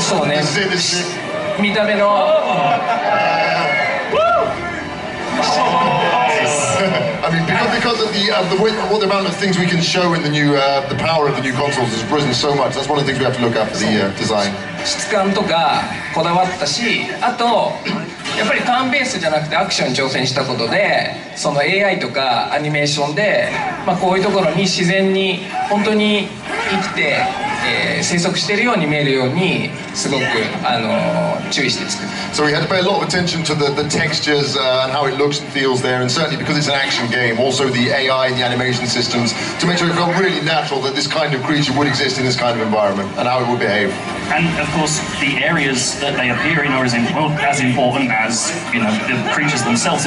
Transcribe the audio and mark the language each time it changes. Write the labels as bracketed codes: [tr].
[ja] モンスターで、すごく人気があって、みんなよく知ってるモンスターなんですけども、今回でそのデザインを更新するのにどのように工夫するでしょうか。デザインもなんだけれども、やっぱり表現力が上がったので、すごく、そうね、見た目の… [en] I mean, because of the way, all the amount of things we can show in the new, the power of the new consoles has risen so much. That's one of the things we have to look at for the design. [ja] 質感とかこだわったし、あとやっぱりターンベースじゃなくてアクションに挑戦したことで、その AI とかアニメーションで、まあこういうところに自然に本当に生きて、生息しているように見えるように、すごく注意して作る。 [en] So we had to pay a lot of attention to the textures and how it looks and feels there, and certainly because it's an action game, also the AI and the animation systems, to make sure it felt really natural that this kind of creature would exist in this kind of environment and how it would behave. And of course, the areas that they appear in are as important as, you know, the creatures themselves.